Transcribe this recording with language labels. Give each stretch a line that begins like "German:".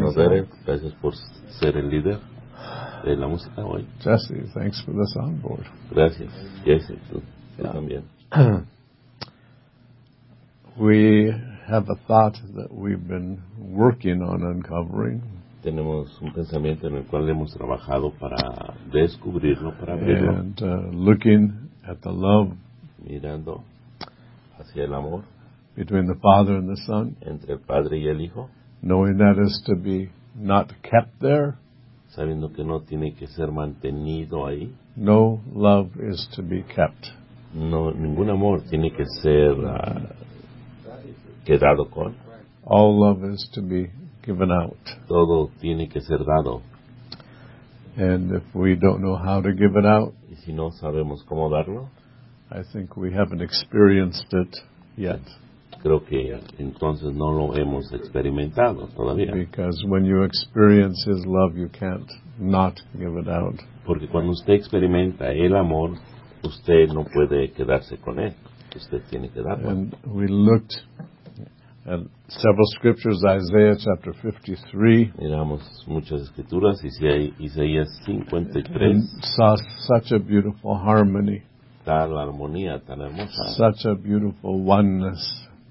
Spanish: Hermano Derek, gracias por ser el líder. De la música hoy.
English: Jesse, thanks for the soundboard.
Spanish: Gracias, Jesse, tú, yeah. Tú también.
English: We have a thought that we've been working on uncovering.
Spanish: Tenemos un pensamiento en el cual hemos trabajado para descubrirlo, para abrirlo.
English: And looking at the love.
Spanish: Mirando hacia el amor.
English: Between the Father and the Son.
Spanish: Entre el Padre y el Hijo.
English: Knowing that is to be not kept there.
Spanish: Sabiendo que no tiene que ser mantenido ahí.
English: No love is to be kept.
Spanish: No, ningún amor tiene que ser quedado con.
English: All love is to be given out.
Spanish: Todo tiene que ser dado.
English: And if we don't know how to give it out,
Spanish: y si no sabemos cómo darlo,
English: I think we haven't experienced it yet.
Spanish: Creo que entonces no lo hemos experimentado todavía.
English: Because when you experience his love, you can't not give it out.
Spanish: Porque cuando usted experimenta el amor, usted no puede quedarse con él. Usted tiene que darlo.
English: And we looked at several scriptures, Isaiah chapter 53.
Spanish: Miramos muchas escrituras, Isaías 53.
English: And saw such a beautiful harmony.
Spanish: Tal armonía, tan hermosa.
English: Such a beautiful oneness.